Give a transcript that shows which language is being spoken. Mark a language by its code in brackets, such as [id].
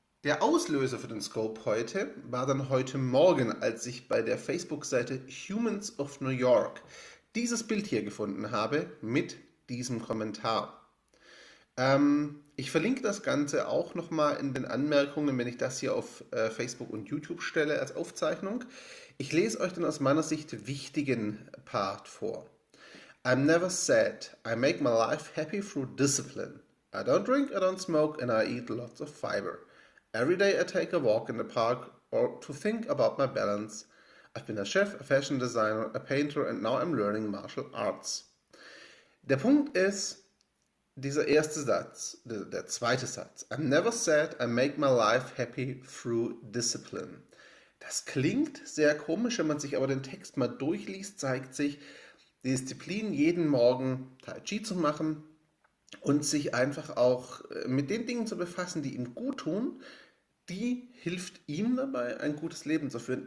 [de] Der Auslöser für den Scope heute war dann heute Morgen, als ich bei der Facebook-Seite Humans of New York dieses Bild hier gefunden habe mit diesem Kommentar. Ich verlinke das Ganze auch nochmal in den Anmerkungen, wenn ich das hier auf Facebook und YouTube stelle als Aufzeichnung. Ich lese euch dann aus meiner Sicht wichtigen Part vor. [en] I'm never sad. I make my life happy through discipline. I don't drink, I don't smoke and I eat lots of fiber. Every day I take a walk in the park or to think about my balance. I've been a chef, a fashion designer, a painter and now I'm learning martial arts. [de] Der Punkt ist, dieser erste Satz, der zweite Satz. [en] I'm never sad, I make my life happy through discipline. [de] Das klingt sehr komisch, wenn man sich aber den Text mal durchliest, zeigt sich, die Disziplin, jeden Morgen Tai Chi zu machen und sich einfach auch mit den Dingen zu befassen, die ihm gut tun, die hilft ihm dabei, ein gutes Leben zu führen.